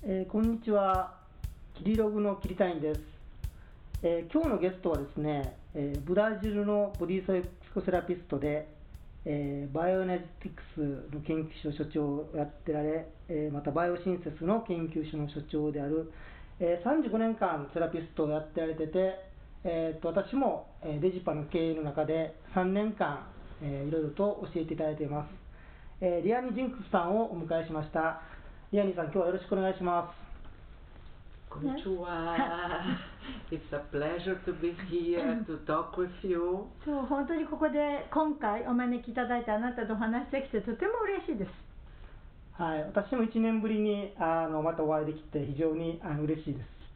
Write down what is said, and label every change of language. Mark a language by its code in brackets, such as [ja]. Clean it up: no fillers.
[ja] こんにちは、キリログのキリタインです。今日のゲストはですね、ブラジルのボディソイクスセラピストで、バイオネティクスの研究所所長をやってられ、またバイオシンセスの研究所の所長である、35年間セラピストをやってられてて、私も、デジパの経営の中で3年間、いろいろと教えていただいています。リアニ・ジンクスさんをお迎えしました。リアニさん、今日はよろしくお願いします。こんにちは。 [en] It's a pleasure to be here to talk with you. [ja] そう、本当にここで今回お招きいただいてあなたと話できてとても嬉しいです。はい、私も1年ぶりにまたお会いできて非常に嬉しいです。